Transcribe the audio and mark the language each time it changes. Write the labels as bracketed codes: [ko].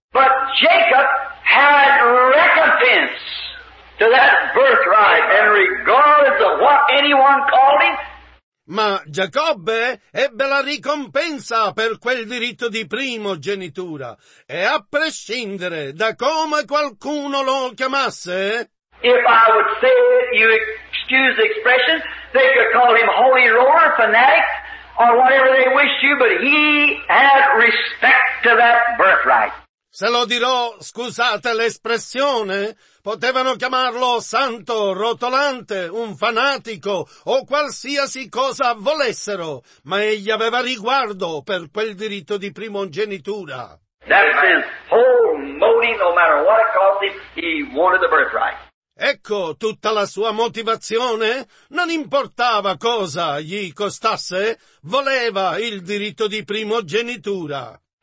[en] But Jacob had recompense to that birthright and regardless of what anyone called him. [it] Ma Giacobbe ebbe la ricompensa per quel diritto di primogenitura, e a prescindere da come qualcuno lo chiamasse. [en] If I would say it, you excuse the expression, they could call him holy roar, fanatic, or whatever they wish you, but he had respect to that birthright. [it] Se lo dirò, scusate l'espressione, potevano chiamarlo santo, rotolante, un fanatico o qualsiasi cosa volessero, ma egli aveva riguardo per quel diritto di primogenitura. [en] That's his whole motive, no matter what it cost him, he wanted the birthright. [it] Ecco tutta la sua motivazione, non importava cosa gli costasse, voleva il diritto di primogenitura.